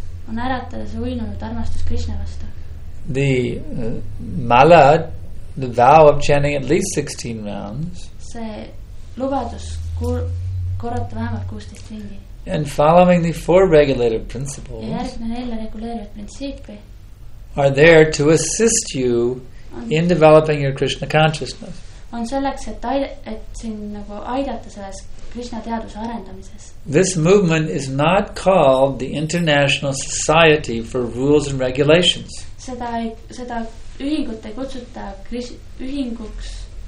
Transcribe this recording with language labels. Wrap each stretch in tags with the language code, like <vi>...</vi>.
<et>On äratada see uinunud armastus Krishna vastu.</et> <en>The mala, the vow of chanting at least 16 rounds.</en> <et>See lubadus korrata vähemalt 16 ringi.</et> <en>And following the four regulative principles.</en> <et>Ja järgne nelja reguleerivat printsiipi.</et> <en>Are there to assist you in developing your Krishna consciousness.</en> <et>On selleks, et siin nagu aidata selles Krishna teaduse arendamises.</et> <en>This movement is not called the International Society for Rules and Regulations.</en> <et>Seda ühingut ei kutsuta ühinguks.</et>